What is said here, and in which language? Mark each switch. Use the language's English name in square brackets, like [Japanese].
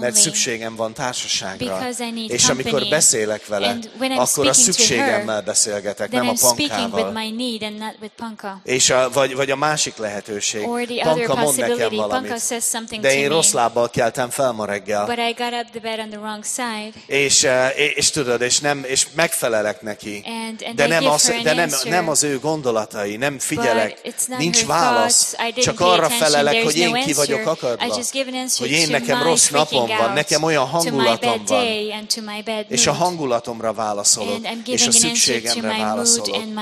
[Hungarian] Mert szükségem van társaságra. [English] Because I need [Hungarian] és amikor [English] company. [Hungarian] Beszélek vele, [English] and when I'm [Hungarian] akkor [English] speaking [Hungarian] a szükségemmel beszélgetek, [English] then [Hungarian] nem [English] I'm [Hungarian] a pankával. [English] With my need and not with panka. [Hungarian] És vagy a másik lehetőség. [English] Or the [Hungarian] panka [English] other [Hungarian] mond nekem valamit. [English] Panka says something [Hungarian] de én [English] to [Hungarian] rossz [English] me. [Hungarian] Lábbal keltem fel ma reggel. [English] But I got up the bed on the wrong side. [Hungarian] És tudod, és nem, és megfelelek neki, de nem az ő gondolatai, nem figyelek, nincs válasz, csak arra felelek, hogy én ki vagyok akadva, hogy én nekem rossz napom van, nekem olyan hangulatom van, és a hangulatomra válaszolok, és a szükségemre válaszolok.